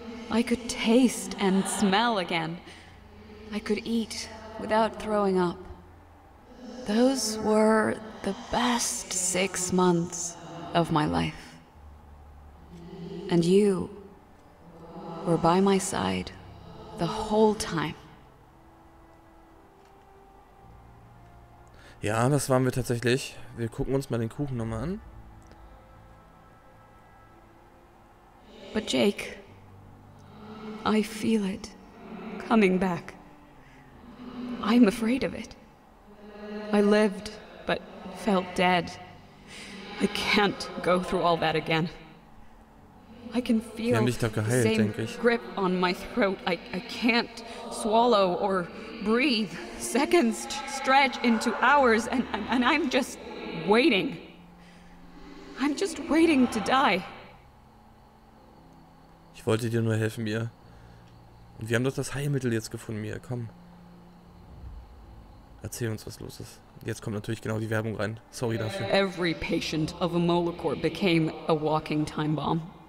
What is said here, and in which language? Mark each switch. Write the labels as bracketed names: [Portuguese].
[English] I could taste and smell again. I could eat without throwing up. Those were the best 6 months of my life. And you were by my side. The whole time. [German] Ja, das waren wir tatsächlich. Wir gucken uns mal den Kuchen nochmal an. [English] But Jake, I feel it coming back. I'm afraid of it. I lived, but felt dead. I can't go through all that again. I can feel [German] geheilt, [English] the same grip on my throat. I can't swallow or breathe. Seconds stretch into hours, and I'm just waiting. I'm just waiting to die. [German] Ich wollte dir nur helfen, Mia. Und wir haben doch das Heilmittel jetzt gefunden, Mia. Komm. Erzähl uns, was los ist. Jetzt kommt natürlich genau die Werbung rein. Sorry dafür. [English] Every patient of a Molochor became a walking time bomb.